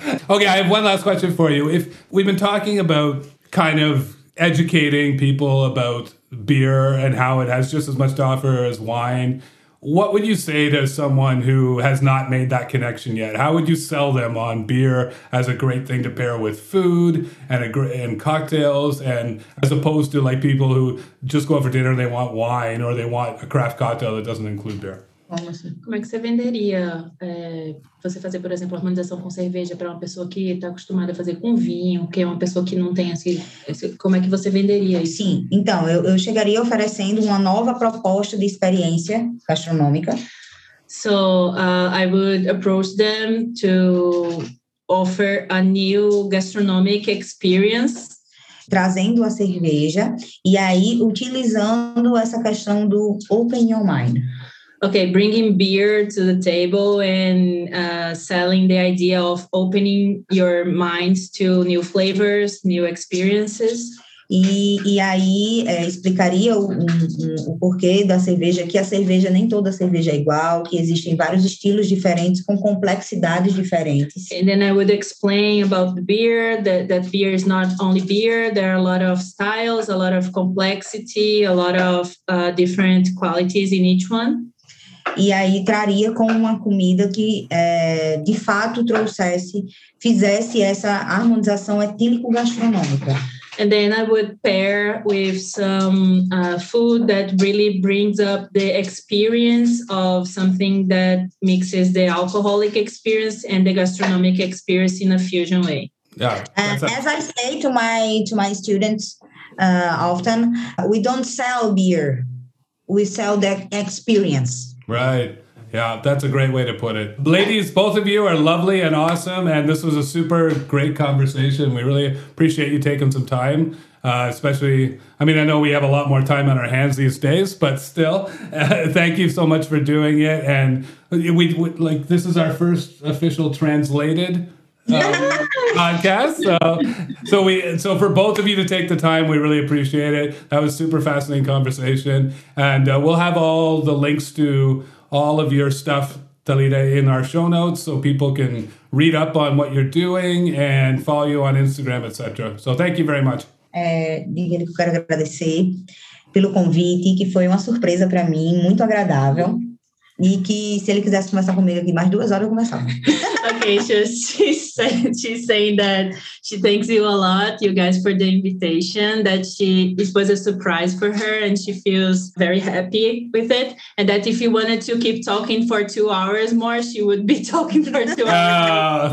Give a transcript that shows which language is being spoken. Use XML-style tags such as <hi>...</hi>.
<en>Okay, I have one last question for you. If we've been talking about kind of educating people about beer and how it has just as much to offer as wine, what would you say to someone who has not made that connection yet? How would you sell them on beer as a great thing to pair with food and cocktails, and as opposed to like people who just go out for dinner and they want wine, or they want a craft cocktail that doesn't include beer?</en> <pt>Como é que você venderia você fazer, por exemplo, harmonização com cerveja para uma pessoa que está acostumada a fazer com vinho, que é uma pessoa que não tem esse, como é que você venderia isso? Sim, então, eu chegaria oferecendo uma nova proposta de experiência gastronômica.</pt> <en>So, I would approach them to offer a new gastronomic experience.</en> <pt>Trazendo a cerveja e aí utilizando essa questão do</pt> <en>open your mind. Okay, bringing beer to the table and selling the idea of opening your mind to new flavors, new experiences.</en> <pt>E aí explicaria o porquê da cerveja, que a cerveja, nem toda cerveja é igual, que existem vários estilos diferentes com complexidades diferentes.</pt> <en>And then I would explain about the beer, that beer is not only beer, there are a lot of styles, a lot of complexity, a lot of different qualities in each one.</en> <pt>E aí traria com uma comida que de fato trouxesse, fizesse essa harmonização etílico-gastronômica.</pt> <en>And then I would pair with some food that really brings up the experience of something that mixes the alcoholic experience and the gastronomic experience in a fusion way. As I say to my students often, we don't sell beer, we sell the experience. Right. Yeah, that's a great way to put it. Ladies, both of you are lovely and awesome, and this was a super great conversation. We really appreciate you taking some time, especially, I mean, I know we have a lot more time on our hands these days, but still, thank you so much for doing it. And we this is our first official translated podcast. So for both of you to take the time, we really appreciate it. That was a super fascinating conversation. And we'll have all the links to all of your stuff, Thalita, in our show notes so people can read up on what you're doing and follow you on Instagram, etc. So thank you very much.</en> <pt>Eu quero agradecer pelo convite, que foi uma surpresa para mim, muito agradável. E que se ele quisesse conversar comigo aqui mais duas horas, eu começava.</pt> <en>Okay, so she's saying that she thanks you a lot, you guys, for the invitation, that it was a surprise for her and she feels very happy with it. And that if you wanted to keep talking for 2 hours more, she would be talking for 2 hours.</en>